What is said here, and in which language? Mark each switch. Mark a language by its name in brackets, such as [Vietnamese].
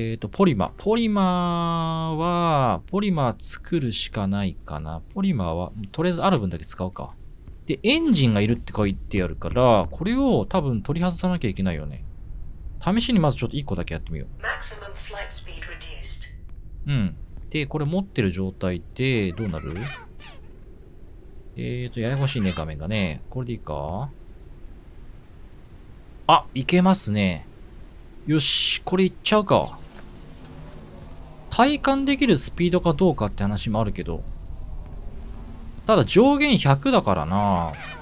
[Japanese] ポリマー。ポリマーは、ポリマー作るしかないかな。ポリマーは、とりあえずある分だけ使うか。で、エンジンがいるって書いてあるから、これを多分取り外さなきゃいけないよね。試しにまずちょっと1個だけやってみよう。 [English] Maximum flight speed reduced. [Japanese] うん。で、これ持ってる状態って、どうなる？ややこしいね、画面がね。これでいいか？あ、いけますね。よし、これいっちゃうか。体感できるスピードかどうかって話もあるけど。ただ上限100だからな。